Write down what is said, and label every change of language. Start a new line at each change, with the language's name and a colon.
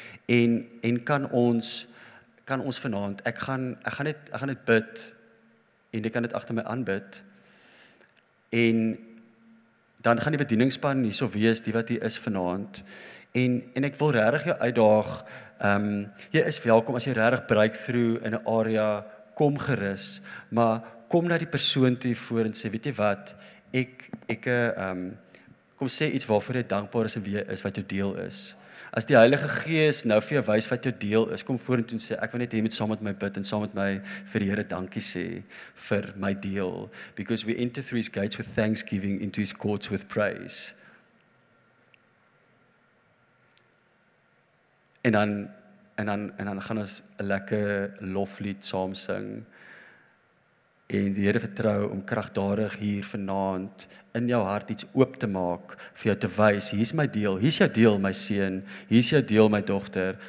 Afrikaans: En kan ons vanaand, ek gaan net bid, en jy kan dit agter my aanbid, en dan gaan die bedieningspan nie so wees, die wat hier is vanaand, en ek wil regtig jou uitdaag, jy is welkom, as jy regtig breakthrough in 'n area, kom gerus, maar kom na die persoon toe voor en sê, weet jy wat, ek kom sê iets waarvoor jy dankbaar is en wie jy is, wat jou deel is. as die Heilige Gees nou vir jou wys wat jou deel is, kom vorentoe en sê, ek wil net hê jy moet saam met my bid en saam met my vir die Here dankie sê vir my deel.
English: Because we enter through his gates with thanksgiving, into his courts with praise.
Afrikaans: En dan gaan ons 'n lekker loflied saam sing. En die Here vertrou om kragtadig hier vanaand in jou hart iets oop te maak vir jou te wys. Hier's my deel, hier's jou deel my seun, hier's jou deel my dogter.